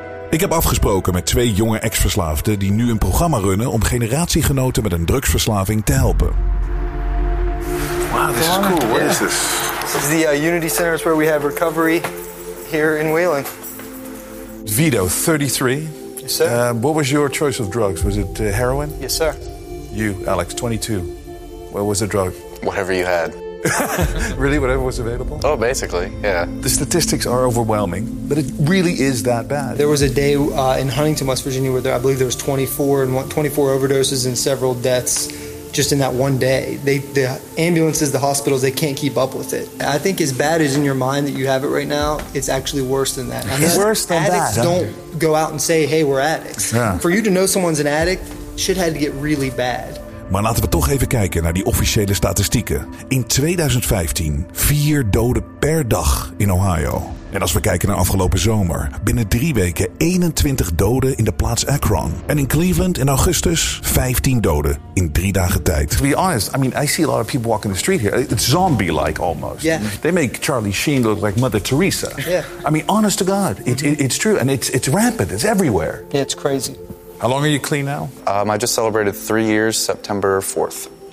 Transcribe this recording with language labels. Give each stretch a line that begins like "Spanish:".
Dutch: Ik heb afgesproken met twee jonge ex-verslaafden die nu een programma runnen om generatiegenoten met een drugsverslaving te helpen.
English: Wow, this is cool. What is this? This is the Unity Center where we have recovery here in Wheeling. Vito, 33. Yes, sir. What was your choice of drugs? Was it heroin? Yes, sir. You, Alex, 22. What was the drug? Whatever you had. Really? Whatever was available? Oh, basically, yeah. The statistics are overwhelming, but it really is that bad. There was a day in Huntington, West Virginia, where I believe there was 24 overdoses and several deaths just in that one day. The ambulances, the hospitals, they can't keep up with it. I think as bad as in your mind that you have it right now, it's actually worse than that. It's worse than addicts that. Addicts don't go out and say, hey, we're addicts. Yeah. For you to know someone's an addict, shit had to get really bad.
Dutch: Maar laten we toch even kijken naar die officiële statistieken. In 2015, 4 doden per dag in Ohio. En als we kijken naar afgelopen zomer, binnen 3 weken 21 doden in de plaats Akron. En in Cleveland in augustus 15 doden in 3 dagen tijd.
English: To be honest, I mean, I see a lot of people walking the street here. It's zombie-like almost. Yeah. They make Charlie Sheen look like Mother Teresa. Yeah. I mean, honest to God, it's true. And it's rampant, it's everywhere. Yeah, it's crazy. How long are you clean now? I just celebrated 3 years, September 4th.